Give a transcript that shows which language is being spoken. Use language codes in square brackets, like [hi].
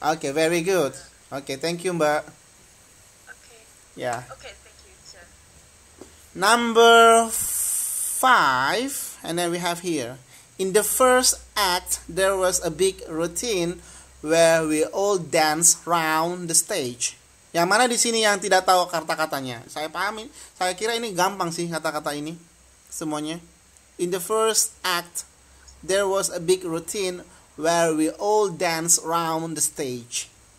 [en] Okay, very good. Okay, thank you, Mbak. Okay. Yeah. Okay. Number 5, and then we have here. In the first act, there was a big routine where we all dance round the stage. [id] Yang mana di sini yang tidak tahu kata-katanya? Saya pahami. Saya kira ini gampang sih kata-kata ini semuanya. [en] In the first act, there was a big routine where we all dance round the stage.